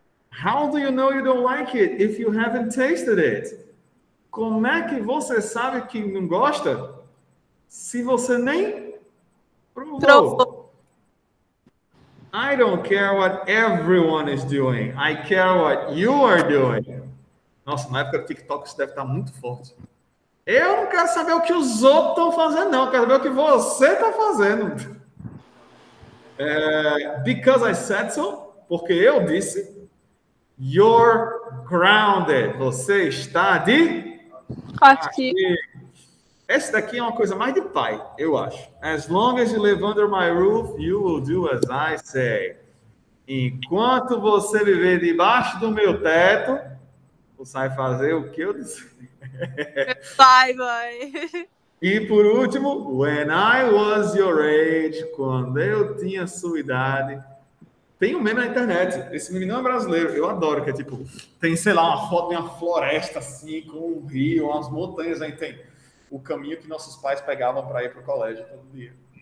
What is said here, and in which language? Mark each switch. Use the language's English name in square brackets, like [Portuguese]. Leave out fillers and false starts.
[English] How do you know you don't like it if you haven't tasted it? [Portuguese] Como é que você sabe que não gosta se você nem provou? [English] I don't care what everyone is doing. I care what you are doing. [Portuguese] Nossa, na época do TikTok isso deve estar muito forte. Eu não quero saber o que os outros estão fazendo, não. Eu quero saber o que você está fazendo. [English] Because I said so, [Portuguese] porque eu disse... [English] You're grounded. [Portuguese] Você está de? Aqui. Essa daqui é uma coisa mais de pai, eu acho. [English] As long as you live under my roof, you will do as I say. [Portuguese] Enquanto você viver debaixo do meu teto, você vai fazer o que eu disse. Pai, mãe. E por último, [English] when I was your age, [Portuguese] quando eu tinha sua idade, tem um meme na internet, esse meme não é brasileiro, eu adoro, que é tipo, tem, sei lá, uma foto de uma floresta assim, com um rio, umas montanhas, aí tem o caminho que nossos pais pegavam para ir pro colégio todo dia.